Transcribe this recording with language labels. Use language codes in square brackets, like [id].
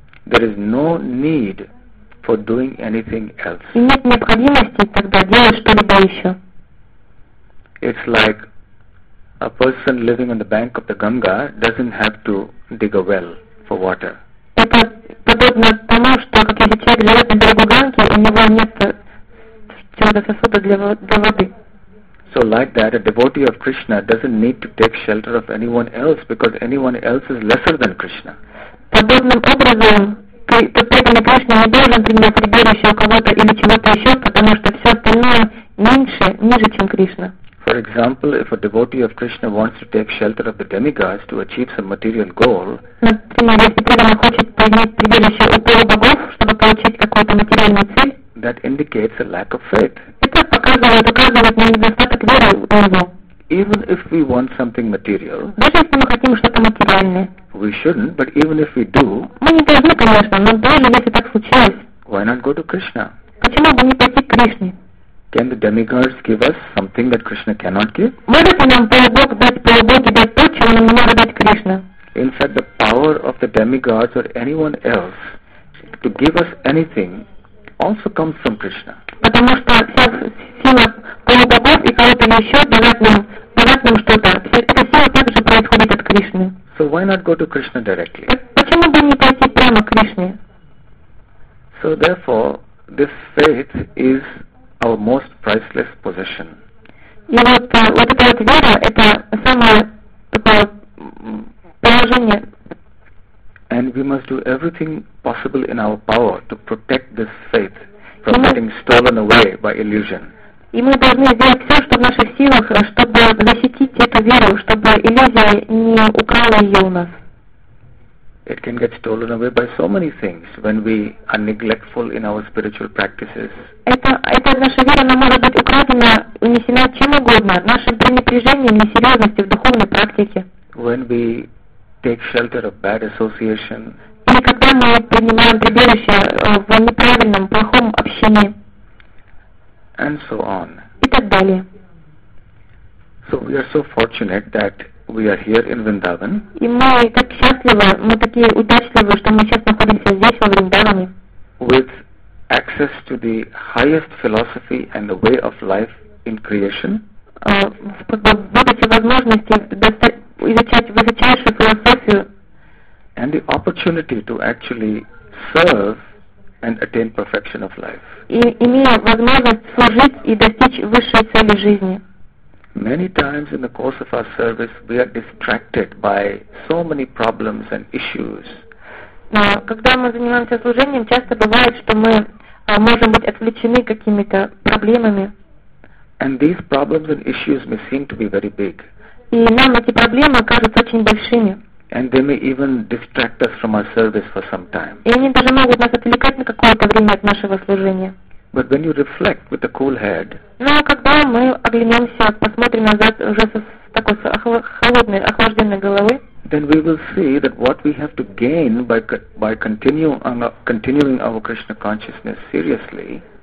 [en] There is no need for doing anything else. [ru] И нет необходимости тогда делать что-либо еще. [en] It's like a person living on the bank of the Ganga doesn't have to dig a well for water. [ru] Это подобно тому, что какой-то человек живет на берегу Ганги, у него нет чего-то сосуда для воды. [en] So like that, a devotee of Krishna doesn't need to take shelter of anyone else because anyone else is lesser than Krishna. [ru] Подобным образом, преданный Кришна не должен принимать прибежище у кого-то или чего-то еще, потому что все остальное меньше, ниже, чем Кришна. [en] For example, if a devotee of Krishna wants to take shelter of the demigods to achieve some material goal, [ru] например, если преданный хочет принять прибежище у полубогов, чтобы получить какую-то материальную цель, [en] that indicates a lack of faith. [ru] Это показывает, указывает на недостаток веры у него. [en] Even if we want something material, [ru] даже если мы хотим что-то материальное, [en] we shouldn't, but even if we do, [ru] мы не должны, конечно, но даже если так случилось, [en] why not go to Krishna? [ru] Почему бы не пойти к Кришне? [en] Can the demigods give us something that Krishna cannot give? [ru] Может ли нам полубог дать полубоги дать то, чего нам не может дать Кришна? [en] In fact, the power of the demigods or anyone else to give us anything also comes from Krishna. [ru] Потому что вся сила полубогов и кого-то еще дает нам что-то. Эта сила также происходит от Кришны. [en] So why not go to Krishna directly? [ru] Почему бы не пойти прямо к Кришне? [en] So therefore, this faith is our most priceless possession. [ru] И вот эта вот вера, это самое такое положение. [en] And we must do everything possible in our power to protect this faith from getting stolen away by illusion. [ru] И мы должны сделать все, что в наших силах, чтобы защитить эту веру, чтобы иллюзия не украла ее у нас. [en] It can get stolen away by so many things when we are neglectful in our spiritual practices. [ru] Это наша вера, она может быть украдена, унесена чем угодно, нашим пренебрежением, несерьезностью в духовной практике. [en] When we take shelter of bad association. [ru] Или когда мы принимаем прибежище в неправильном, плохом общении. [en] And so on. [ru] И так далее. [en] So we are so fortunate that we are here in Vrindavan. [ru] И мы так счастливы, мы такие удачливы, что мы сейчас находимся здесь, во Вриндаване. [en] With access to the highest philosophy and the way of life in creation. [ru] Будучи возможности изучать высочайшую философию. [en] And the opportunity to actually serve and attain perfection of life. [ru] И имея возможность служить и достичь высшей цели жизни. [en] Many times in the course of our service we are distracted by so many problems and issues. [ru] Но когда мы занимаемся служением, часто бывает, что мы можем быть отвлечены какими-то проблемами. [en] And these problems and issues may seem to be very big. [ru] И нам эти проблемы кажутся очень большими. [en] And they may even distract us from our service for some time. [ru] И они даже могут нас отвлекать на какое-то время от нашего служения. [en] But when you reflect with a cool head. [ru] Но когда мы оглянемся, посмотрим назад уже с такой холодной, охлажденной головы. [en] Then we will see that what we have to gain by continuing our Krishna consciousness seriously.